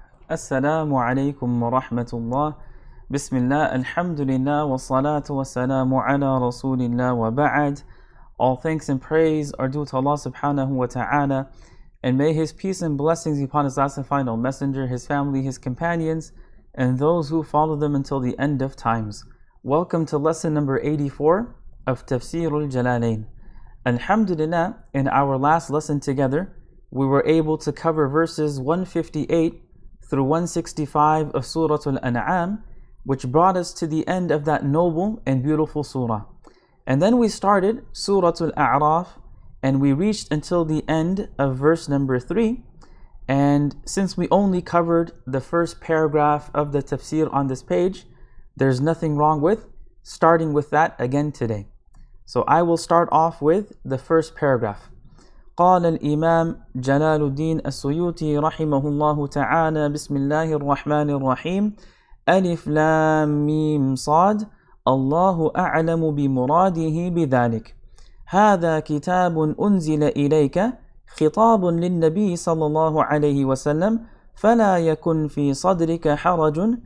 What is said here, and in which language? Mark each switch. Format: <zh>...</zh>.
<ar>السلام عليكم ورحمة الله. بسم الله، الحمد لله، والصلاة والسلام على رسول الله، وبعد.</ar> <en>All thanks and praise are due to Allah subhanahu wa ta'ala, and may His peace and blessings be upon His last and final messenger, His family, His companions, and those who follow them until the end of times. Welcome to lesson number 84 of Tafsir al-Jalalain. Alhamdulillah, in our last lesson together, we were able to cover verses 158 through 165 of Surah Al-An'am, which brought us to the end of that noble and beautiful surah. And then we started Surah Al-A'raf, and we reached until the end of verse number 3. And since we only covered the first paragraph of the tafsir on this page, there's nothing wrong with starting with that again today. So I will start off with the first paragraph.</en> <ar>قال الإمام جلال الدين السيوطي رحمه الله تعالى بسم الله الرحمن الرحيم ألف لام ميم صاد الله أعلم بمراده بذلك هذا كتاب أنزل إليك خطاب للنبي صلى الله عليه وسلم فلا يكن في صدرك حرج</ar>